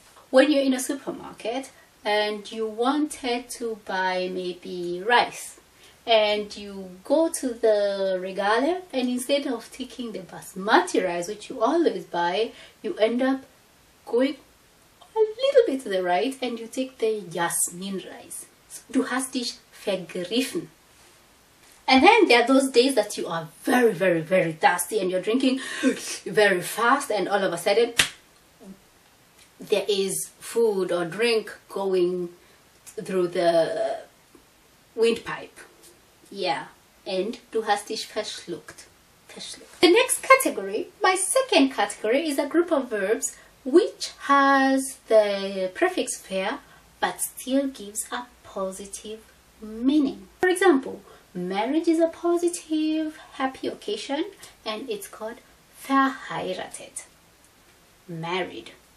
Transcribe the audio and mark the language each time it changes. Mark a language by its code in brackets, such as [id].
[en] When you're in a supermarket and you wanted to buy maybe rice, and you go to the regale, and instead of taking the basmati rice, which you always buy, you end up going a little bit to the right and you take the jasmin rice. [de] So, du hast dich vergriffen. [en] And then there are those days that you are very, very, very thirsty and you're drinking very fast, and all of a sudden there is food or drink going through the windpipe. Yeah. [de] And du hast dich verschluckt. Verschluckt. [en] The next category, my second category, is a group of verbs which has the prefix fair but still gives a positive meaning. For example, marriage is a positive, happy occasion, and it's called verheiratet, married.